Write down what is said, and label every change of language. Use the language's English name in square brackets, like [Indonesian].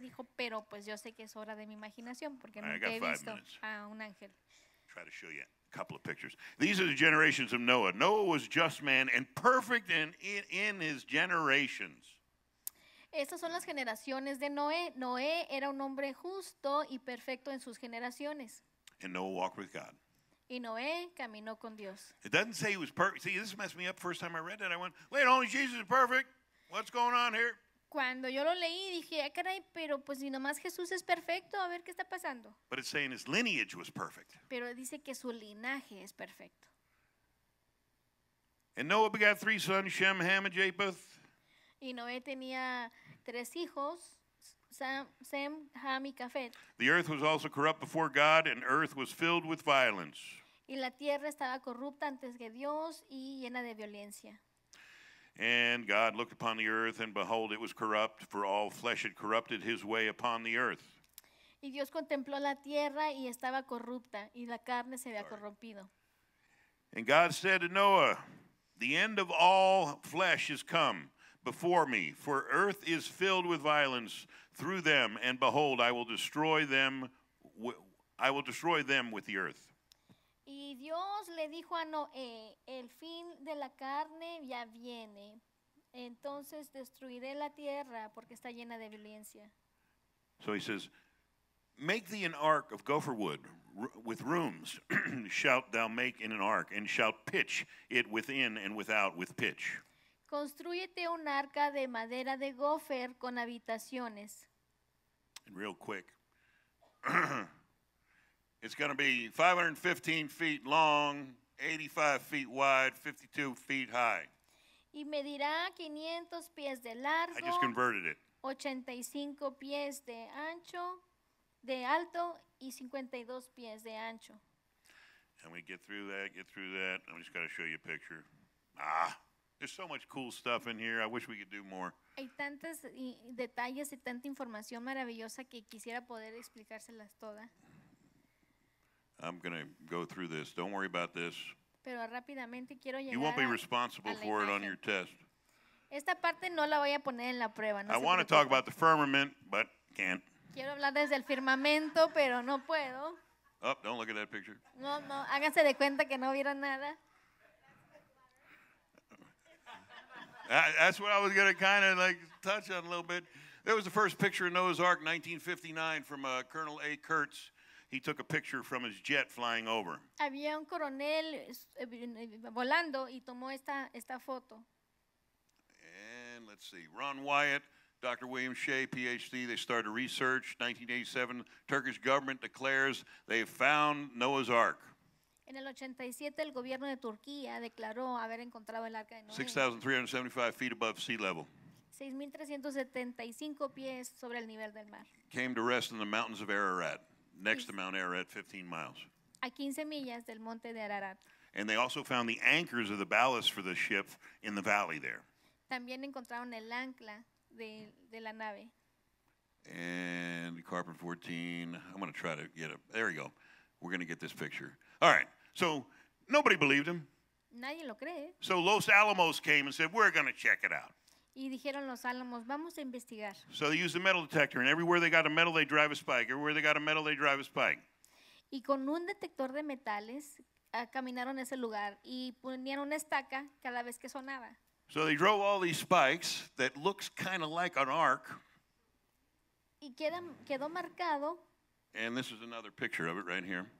[Spanish] Dijo, pero pues yo sé que es hora de mi imaginación porque nunca he visto a un ángel. [English] Try to show you a couple of pictures. These are the generations of Noah. Noah was just man and perfect in his generations. [Spanish] Estas son las generaciones de Noé. Noé era un hombre justo y perfecto en sus generaciones. [English] And Noah walked with God. [Spanish] Y Noé caminó con Dios. [English] It doesn't say he was perfect. See, this messed me up first time I read that. I went, wait, only Jesus is perfect. What's going on here? [Spanish] Cuando yo lo leí, dije, ah, caray, pero pues si nomás Jesús es perfecto, a ver qué está pasando. [English] But it's saying his lineage was perfect. [Spanish] Pero dice que su linaje es perfecto. [English] And Noah begat 3 sons, Shem, Ham, and Japheth. [Spanish] Y Noé tenía 3 hijos. Sam, Ham, y Cafet. [English] The earth was also corrupt before God, and earth was filled with violence. [Spanish] Y la tierra estaba corrupta antes que Dios y llena de violencia. [English] And God looked upon the earth, and behold, it was corrupt, for all flesh had corrupted his way upon the earth. [Spanish] Y Dios contempló la tierra y estaba corrupta, y la carne se había corrompido. [English] And God said to Noah, the end of all flesh has come before me, for earth is filled with violence through them, and behold, I will destroy them with the earth. [Spanish] Y Dios le dijo a Noé, el fin de la carne ya viene, entonces destruiré la tierra porque está llena de violencia. [English] So he says, Make thee an ark of gopher wood with rooms shalt thou make in an ark, and shalt pitch it within and without with pitch. [Spanish] Constrúyete un arca de madera de gopher con habitaciones. [English] And real quick. It's going to be 515 feet long, 85 feet wide, 52 feet high. [Spanish] Y medirá 500 pies de largo. [English] I just converted it. [Spanish] 85 pies de ancho, de alto, y 52 pies de ancho. [English] And we get through that. I'm just going to show you a picture. Ah, there's so much cool stuff in here. I wish we could do more. [Spanish] Hay tantos detalles y tanta información maravillosa que quisiera poder explicárselas toda. [English] I'm going to go through this. Don't worry about this. [Spanish] Pero rápidamente quiero llegar. [English] You won't be responsible for it on your test. [Spanish] Esta parte no la voy a poner en la prueba. [English] I want to talk about the firmament, but can't. [Spanish] Quiero hablar desde el firmamento, pero no puedo. [English] Oh, don't look at that picture. [Spanish] No, háganse de cuenta que no vieron nada. [English] That's what I was going to kind of like touch on a little bit. There was the first picture of Noah's Ark, 1959, from Colonel A. Kurtz. He took a picture from his jet flying over. [Spanish] Había un coronel volando y tomó esta foto. [English] And let's see. Ron Wyatt, Dr. William Shea, PhD, they started research. 1987, Turkish government declares they found Noah's Ark. [Spanish] En el 87, el gobierno de Turquía declaró haber encontrado el arca de Noé. [English] 6,375 feet above sea level. [Spanish] 6,375 pies sobre el nivel del mar. [English] Came to rest in the mountains of Ararat. Next to Mount Ararat, 15 miles. [Spanish] A 15 millas del monte de Ararat. [English] And they also found the anchors of the ballast for the ship in the valley there. [Spanish] También encontraron el ancla de la nave. [English] And Carbon 14. I'm going to try to get it. There we go. We're going to get this picture. All right. So nobody believed him. [Spanish] Nadie lo cree. [English] So Los Alamos came and said, we're going to check it out. [Spanish] Y dijeron los álamos, vamos a investigar. [English] So they used a metal detector, and everywhere they got a metal, they drive a spike. Everywhere they got a metal, they drive a spike. [Spanish] Y con un detector de metales, caminaron ese lugar y ponían una estaca cada vez que sonaba. [English] So they drove all these spikes that looks kind of like an arc. [Spanish] Y quedó marcado. [English] And this is another picture of it right here.